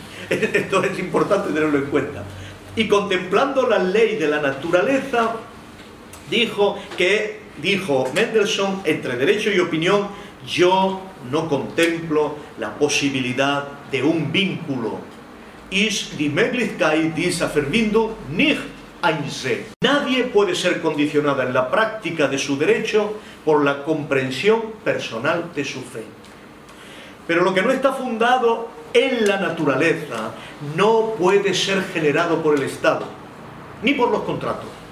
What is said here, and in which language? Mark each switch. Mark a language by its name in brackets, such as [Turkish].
[Spanish] Esto es importante tenerlo en cuenta. Y contemplando la ley de la naturaleza, dijo Mendelssohn, entre derecho y opinión, yo no contemplo la posibilidad de un vínculo. [German] Ist die Möglichkeit dieser Verbindung nicht einsehen. [Spanish] Nadie puede ser condicionada en la práctica de su derecho por la comprensión personal de su fe. Pero lo que no está fundado en la naturaleza no puede ser generado por el Estado, ni por los contratos.